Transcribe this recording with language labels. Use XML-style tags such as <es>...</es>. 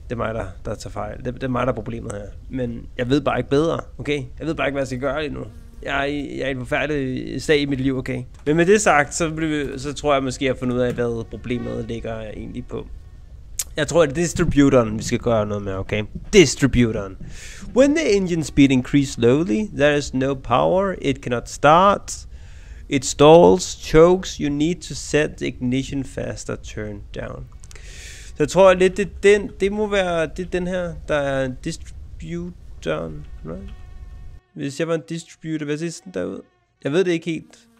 <da>Det er mig, der tager fejl. Det er mig, der er problemet her. Men jeg ved bare ikke bedre, okay? Jeg ved bare ikke, hvad jeg skal gøre lige nu. Jeg er i en forfærdelig sag i mit liv, okay? Men med det sagt, så tror jeg måske, at jeg har fundet ud af, hvad problemet ligger egentlig på. Jeg tror, at det er distributoren, vi skal gøre noget med, okay? Distributoren.</da> <en>When the engine speed increases slowly, there is no power, it cannot start, it stalls, chokes, you need to set the ignition faster, turn down.</en> <da>Så jeg tror jeg lidt, det må være den her, der er en distributor, right? Hvis jeg var en distributor, hvad ser sådan der ud? Jeg ved det ikke helt.</da>